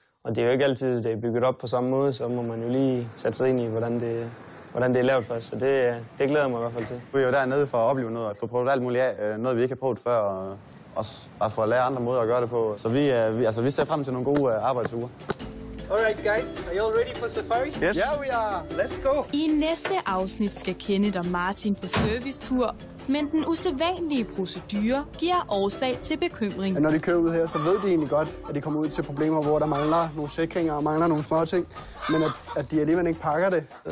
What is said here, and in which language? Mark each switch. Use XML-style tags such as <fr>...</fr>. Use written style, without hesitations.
<da>Og det er jo ikke altid, det er bygget op på samme måde. Så må man jo lige sætte sig ind i, hvordan det er lavet først, så det glæder mig i hvert fald til. Vi er jo dernede for at opleve noget, og få prøvet alt muligt af, noget vi ikke har prøvet før, og bare for at lære andre måder at gøre det på. Så vi ser frem til nogle gode arbejdsuger.</da> <en>Alright guys, are you all ready for safari? Yes. Yeah, we are. Let's go.</en> <da>I næste afsnit skal Kenneth og Martin på servicetur, men den usædvanlige procedure giver årsag til bekymring. Når de kører ud her, så ved de egentlig godt, at de kommer ud til problemer, hvor der mangler nogle sikringer og mangler nogle små ting, men at de alligevel ikke pakker det.</da>